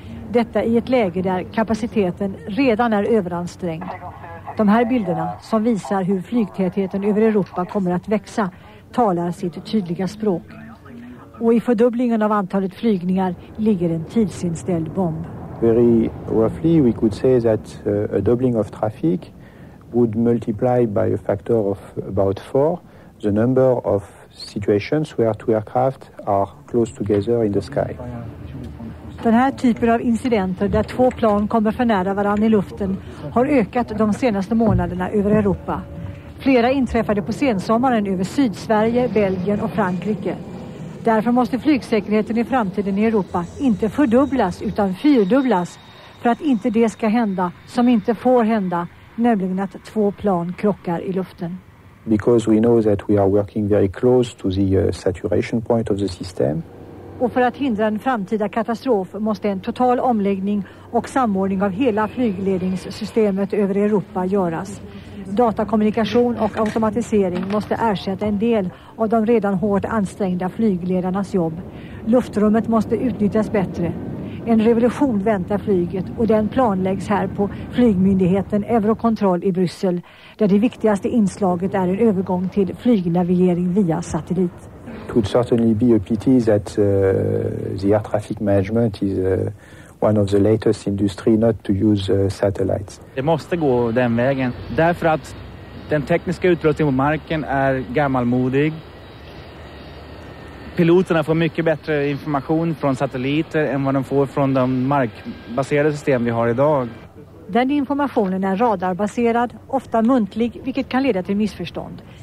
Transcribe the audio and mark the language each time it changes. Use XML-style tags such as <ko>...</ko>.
<sv>Detta i ett läge där kapaciteten redan är överansträngd. De här bilderna som visar hur flygtätheten över Europa kommer att växa talar sitt tydliga språk. Och i fördubblingen av antalet flygningar ligger en tidsinställd bomb.</sv> <en>Very roughly we could say that a doubling of traffic would multiply by a factor of about 4 the number of situations where 2 aircraft are close together in the sky.</en> <sv>Den här typen av incidenter där 2 plan kommer för nära varann i luften har ökat de senaste månaderna över Europa. Flera inträffade på sensommaren över Sydsverige, Belgien och Frankrike. Därför måste flygsäkerheten i framtiden i Europa inte fördubblas utan 4-dubblas för att inte det ska hända som inte får hända, nämligen att 2 plan krockar i luften.</sv> <en>Because we know that we are working very close to the saturation point of the system.</en> <sv>Och för att hindra en framtida katastrof måste en total omläggning och samordning av hela flygledningssystemet över Europa göras. Datakommunikation och automatisering måste ersätta en del av de redan hårt ansträngda flygledarnas jobb. Luftrummet måste utnyttjas bättre. En revolution väntar flyget och den planläggs här på flygmyndigheten Eurocontrol i Bryssel där det viktigaste inslaget är en övergång till flygnavigering via satellit.</sv> <en>It would certainly be a pity that the air traffic management is one of the latest industry not to use satellites.</en> <sv>Det måste gå den vägen därför att den tekniska utrustningen på marken är gammalmodig. Piloterna får mycket bättre information från satelliter än vad de får från de markbaserade system vi har idag. Den informationen är radarbaserad, ofta muntlig, vilket kan leda till missförstånd.</sv>